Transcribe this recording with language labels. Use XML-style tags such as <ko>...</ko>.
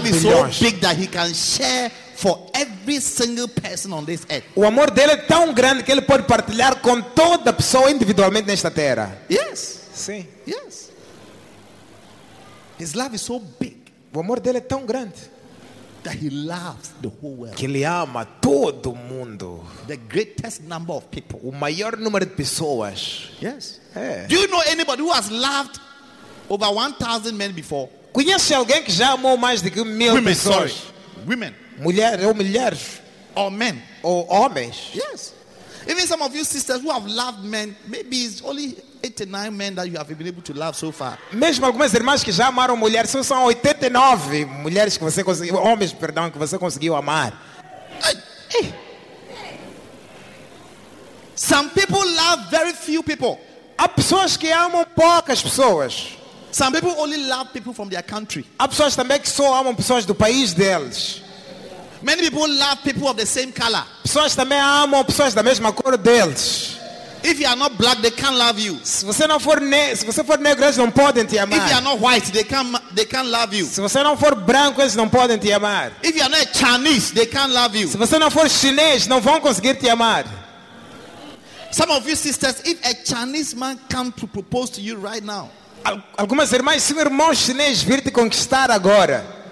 <en>His love is so big that he can share for every single person on this earth.</en> <pt>O amor dele é tão grande que ele pode partilhar com toda pessoa individualmente nesta terra.</pt> <en>Yes.</en> <pt>Sim.</pt> <en>Yes. His love is so big.</en> <pt>O amor dele é tão grande</pt> <en>that he loves the whole world.</en> <pt>Que ele ama todo mundo.</pt> <en>The greatest number of people.</en> <pt>O maior número de pessoas.</pt> <en>Yes.</en> <pt>É.</pt> <en>Do you know anybody who has loved over 1,000 men before?</en> <pt>Conhece alguém que já amou mais de mil</pt> <en>women,</en> <pt>pessoas?</pt> <en>Sorry. Women.</en> <pt>Mulheres ou mulheres.</pt> <en>Or men.</en> <pt>Ou homens.</pt> <en>Yes. Even some of you sisters who have loved men, maybe it's only 89 men that you have been able to love so far.</en> <pt>Mesmo algumas irmãs que já amaram mulheres, são 89 mulheres que você conseguiu, homens, perdão, que você conseguiu amar.</pt> <en>Some people love very few people.</en> <pt>Há pessoas que amam poucas pessoas.</pt> <en>Some people only love people from their country.</en> <pt>Há pessoas também que só amam pessoas do país deles.</pt> <en>Many people love people of the same color.</en> <pt>Pessoas também amam pessoas da mesma cor deles.</pt> <en>If you are not black, they can't love you.</en> <pt>Se você não for negro, eles não podem te amar.</pt> <en>If you are not white, they can't love you.</en> <pt>Se você não for branco, eles não podem te amar.</pt> <en>If you are not Chinese, they can't love you.</en> <pt>Se você não for chinês, não vão conseguir te amar.</pt> <en>Some of you sisters, if a Chinese man come to propose to you right now,</en> <pt>algumas irmãs, se um irmão chinês vir te conquistar agora,</pt>